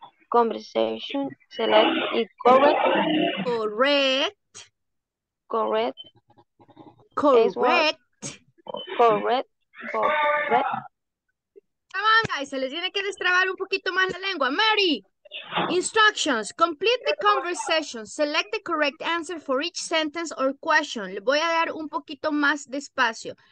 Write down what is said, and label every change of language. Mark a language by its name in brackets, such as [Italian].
[English] conversation select y Correct. correct Correct. correct correct [Spanish] Y se les tiene que destrabar un poquito más la lengua. [English] Mary, instructions. Complete the conversation. Select the correct answer for each sentence or question. [Spanish] Le voy a dar un poquito más despacio.